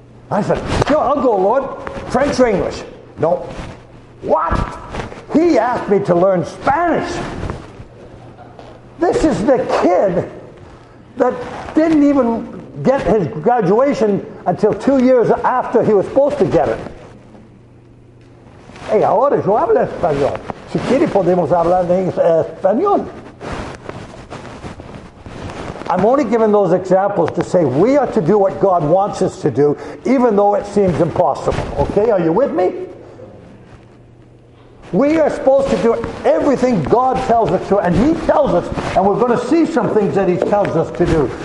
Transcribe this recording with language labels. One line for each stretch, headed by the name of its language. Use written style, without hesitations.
English: I said, sure, I'll go, Lord. French or English? No. What? He asked me to learn Spanish. This is the kid that didn't even get his graduation until 2 years after he was supposed to get it.
Spanish: Hey, ahora yo hablo español. Si quiere podemos hablar en español.
English: I'm only giving those examples to say we are to do what God wants us to do, even though it seems impossible. Okay, are you with me? We are supposed to do everything God tells us to, and He tells us, and we're going to see some things that He tells us to do.